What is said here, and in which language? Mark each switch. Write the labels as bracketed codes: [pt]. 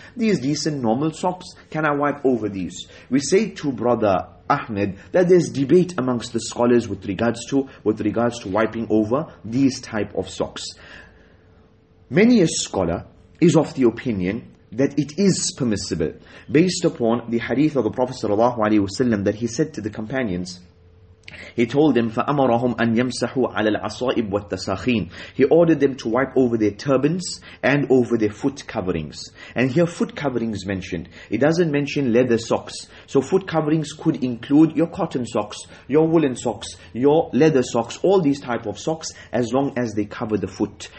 [en] These decent normal socks, can I wipe over these? We say to Brother Ahmed that there's debate amongst the scholars with regards to wiping over these type of socks. Many a scholar is of the opinion that it is permissible, based upon the hadith of the Prophet sallallahu alaihi wasallam that he said to the companions. He told them, [ar] فَأَمَرَهُمْ أَنْ يَمْسَحُوا عَلَى الْعَصَائِبِ وَالتَّسَاخِينَ. [en] He ordered them to wipe over their turbans and over their foot coverings. And here foot coverings mentioned. It doesn't mention leather socks. So foot coverings could include your cotton socks, your woolen socks, your leather socks, all these type of socks, as long as they cover the foot.